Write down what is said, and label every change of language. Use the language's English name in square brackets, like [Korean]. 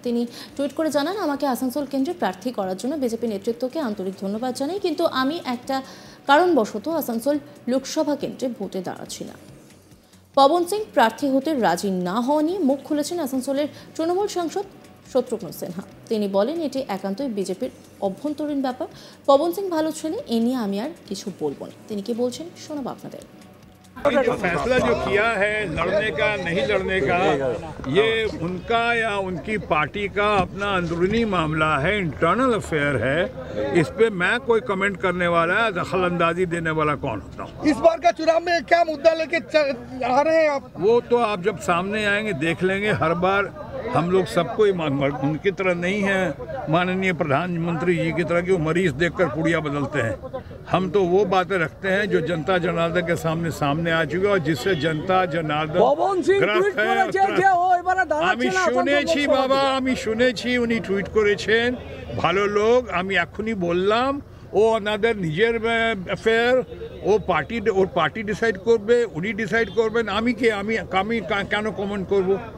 [Bangla] তিনি টুইট করে জানান, আমাকে আসানসোল কেন্দ্রে প্রার্থী করার জন্য বিজেপি নেতৃত্বকে আন্তরিক ধন্যবাদ জানাই, কিন্তু আমি একটা কারণবশত আসানসোল লোকসভা কেন্দ্রে ভোটে দাঁড়াচ্ছি না। পবন সিং প্রার্থী হতে রাজি না হওয়া নিয়ে মুখ খুলেছেন আসানসোলের তৃণমূল সাংসদ শত্রুঘ্ন সিনহা। তিনি বলেন, এটি একান্তই বিজেপির অভ্যন্তরীণ ব্যাপার, পবন সিং ভালো ছেলে, এ নিয়ে আমি আর কিছু বলবো না। তিনি কি বলছেন শোনাবো আপনাদের। [Hindi] जो फैसला जो किया है लड़ने का नहीं लड़ने का, ये उनका या उनकी पार्टी का अपना अंदरूनी मामला है, इंटरनल अफेयर है, इस पे मैं कोई कमेंट करने वाला है, दखल अंदाजी देने वाला कौन होता हूँ। इस बार का चुनाव में क्या मुद्दा लेके आ रहे हैं आप? वो तो आप जब सामने आएंगे देख लेंगे। हर बार हम लोग सबको उनकी तरह नहीं है, माननीय प्रधानमंत्री जी की तरह की मरीज देखकर पुड़िया बदलते हैं। हम तो वो बातें रखते हैं जो जनता जनार्दन के सामने सामने आ चुकी है और जिससे जनता जनार्दन ग्रस्त है। [Bangla] আমি শুনেছি বাবা, আমি শুনেছি উনি টুইট করেছেন, ভালো লোক, আমি এখনই বললাম ও ওনাদের নিজের অ্যাফেয়ার, ওর পার্টি ডিসাইড করবে, উনি ডিসাইড করবেন, আমি কে, আমি আমি কেন কমেন্ট করবো?